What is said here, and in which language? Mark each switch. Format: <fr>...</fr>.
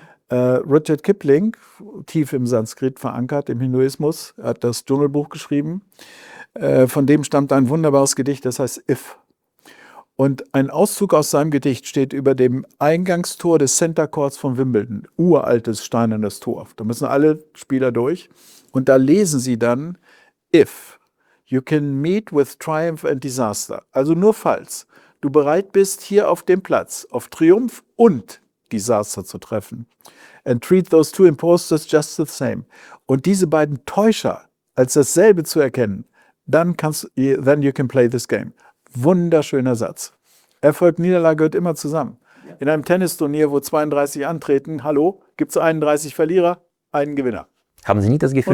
<de>Rudyard Kipling, tief im Sanskrit verankert, im Hinduismus, hat das Dschungelbuch geschrieben. Von dem stammt ein wunderbares Gedicht, das heißt If. Und ein Auszug aus seinem Gedicht steht über dem Eingangstor des Center Courts von Wimbledon. Uraltes, steinernes Tor. Da müssen alle Spieler durch. Und da lesen sie dann If.</de> <en>You can meet with triumph and disaster.</en> <de>Also nur falls du bereit bist, hier auf dem Platz auf Triumph und Desaster zu treffen.</de> <en>And treat those two imposters just the same.</en> <de>Und diese beiden Täuscher als dasselbe zu erkennen, dann kannst du,</de> <en>then you can play this game.</en> <de>Wunderschöner Satz. Erfolg, Niederlage gehört immer zusammen. In einem Tennisturnier, wo 32 antreten, hallo, gibt es 31 Verlierer, einen Gewinner. Haben Sie nicht das Gefühl,</de>